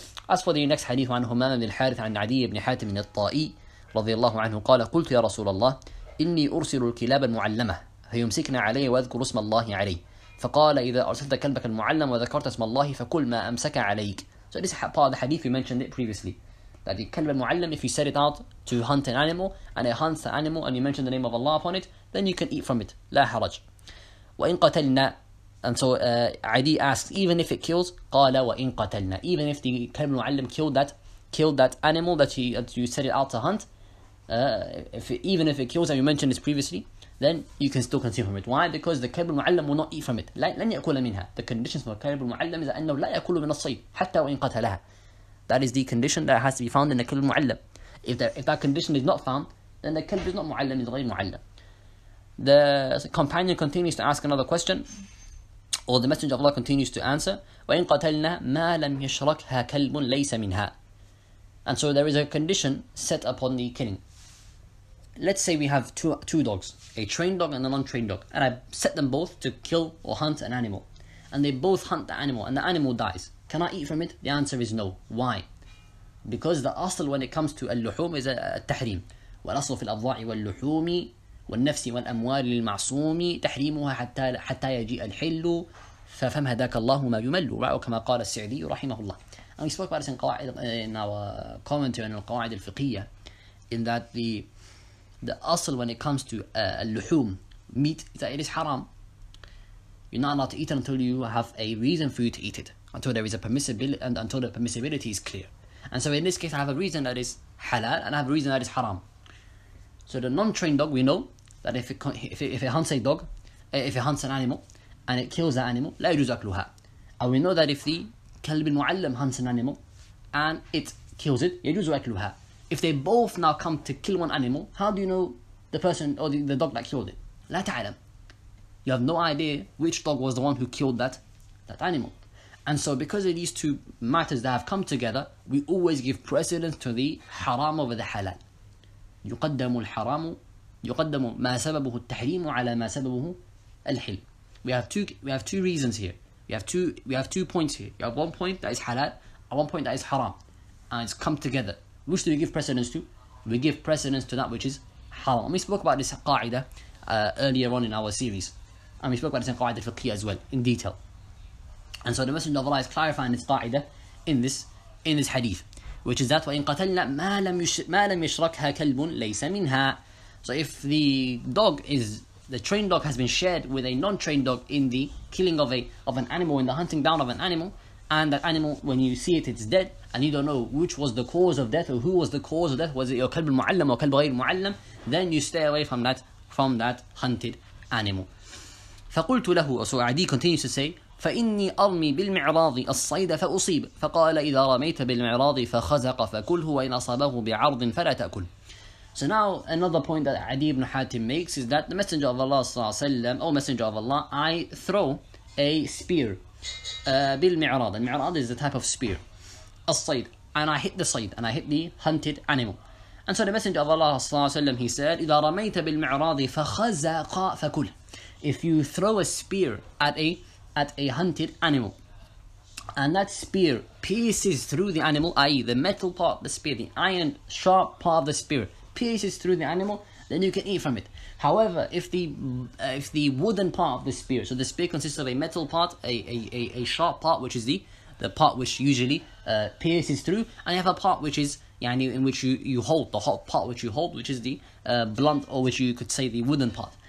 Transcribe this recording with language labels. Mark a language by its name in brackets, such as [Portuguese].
[English] As for the next hadith, [Arabic] عن همام بن الحارث عن عدي بن حاتم الطائي رضي الله عنه قال قلت يا رسول الله إني أرسل الكلاب المعلمة فيمسكن علي وأذكر اسم الله علي فقال إذا أرسلت كلبك المعلم وذكرت اسم الله فكل ما أمسك عليك. [English] So this part of the hadith we mentioned it previously, that the كلب المعلم, if you set it out to hunt an animal and it hunts the animal and you mention the name of Allah upon it, then you can eat from it, [Arabic] لا حرج. وإن قتلنا. [English] And so Adi asks, even if it kills, [Arabic] قَالَ وَإِنْ قَتَلْنَا. [English] Even if the كَلْبُ الْمُعَلَّمِ killed that animal that you set it out to hunt, if it kills, and you mentioned this previously, then you can still consume from it. Why? Because the كلب المعلم will not eat from it. [Arabic] لن يأكل منها. [English] The conditions for كلب المعلم is [Arabic] أنه لا يأكل من الصيد حتى وإن قتلها. [English] That is the condition that has to be found in the كلب المعلم. If that condition is not found, then the كلب is not معلم, is غير معلم. The companion continues to ask another question, or the messenger of Allah continues to answer, [Arabic] وإن قتلنا ما لم يشركها كلب ليس منها. [English] And so there is a condition set upon the killing. Let's say we have two dogs, a trained dog and an untrained dog, and I set them both to kill or hunt an animal, and they both hunt the animal and the animal dies. Can I eat from it? The answer is no. Why? Because the asl when it comes to al-luhum is a tahrim. [Arabic] والأصل في الأضلاع واللحوم والنفس والأموال للمعصوم تحريمها حتى يجيء الحل ففهم هداك الله ما يمل كما قال السعدي رحمه الله. [English] And we spoke about this in our commentary on al-qawaid al-fiqhiyya, in that the asl when it comes to al-luhum, meat, is that it is haram. You're not allowed to eat it until you have a reason for you to eat it, until there is a permissibility, and until the permissibility is clear. And so in this case, I have a reason that is halal and I have a reason that is haram. So the non-trained dog, we know that if it hunts an animal and it kills that animal, [Arabic] لا يجوز أكلها. [English] And we know that if the كلب المعلم hunts an animal and it kills it, [Arabic] يجوز أكلها. [English] If they both now come to kill one animal, how do you know the person or the dog that killed it? [Arabic] لا تعلم. [English] You have no idea which dog was the one who killed that animal. And so because of these two matters that have come together, we always give precedence to the haram over the halal. [Arabic] يقدم الحرام يقدم ما سببه التحريم على ما سببه الحل. [English] We have two reasons here. We have two points here. You have one point that is halal and one point that is haram, and it's come together. Which do we give precedence to? We give precedence to that which is haram. And we spoke about this qa'idah earlier on in our series, and we spoke about this in qa'idah fiqhiyya as well in detail. And so the Messenger of Allah is clarifying this qa'idah in this hadith, which is that [Arabic] وَإِن قَتَلْنَا مَا لَمْ يَشْرَكْهَا كَلْبٌ لَيْسَ مِنْهَا. [English] So if the dog is, the trained dog has been shared with a non-trained dog in the killing of an animal, in the hunting down of an animal, and that animal, when you see it, it's dead, and you don't know which was the cause of death, or who was the cause of death, was it your كلب المعلم or كلب غير المعلم, then you stay away from that hunted animal. [Arabic] فَقُلْتُ لَهُ, [English] so Adi continues to say, [Arabic] فإني أرمي بالمعراض الصيد فأصيب فقال إذا رميت بالمعراض فخزق فكله وإن أصابه بعرض فلا تأكل. [English] So now another point that Adi ibn Hatim makes is that the Messenger of Allah صلى الله عليه وسلم, oh Messenger of Allah, I throw a spear بالمعراض. المعراض is the type of spear. الصيد, and I hit the صيد, and I hit the hunted animal. And so the Messenger of Allah صلى الله عليه وسلم, he said, [Arabic] إذا رميت بالمعراض فخزق فكل. [English] If you throw a spear at a hunted animal, and that spear pierces through the animal, i.e. the metal part of the spear, the iron sharp part of the spear pierces through the animal, then you can eat from it. However, if the wooden part of the spear, so the spear consists of a metal part, a sharp part, which is the part which usually pierces through, and you have a part which is يعني, in which you hold, the hot part which you hold, which is the blunt, or which you could say the wooden part.